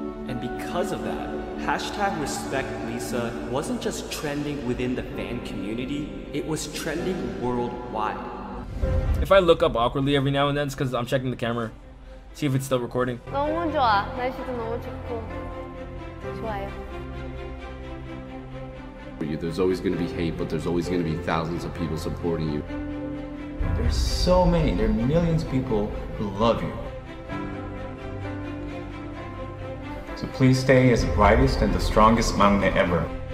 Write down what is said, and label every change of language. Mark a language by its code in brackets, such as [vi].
[en] And because of that, hashtag respect Lisa wasn't just trending within the fan community, it was trending worldwide. If I look up awkwardly every now and then, it's because I'm checking the camera, see if it's still recording. [ko] 너무 좋아. 날씨도 너무 좋고 좋아요. [en] For you, there's always going to be hate, but there's always going to be thousands of people supporting you. There's so many, there are millions of people who love you. So please stay as the brightest and the strongest [ko] Mangnae [en] ever.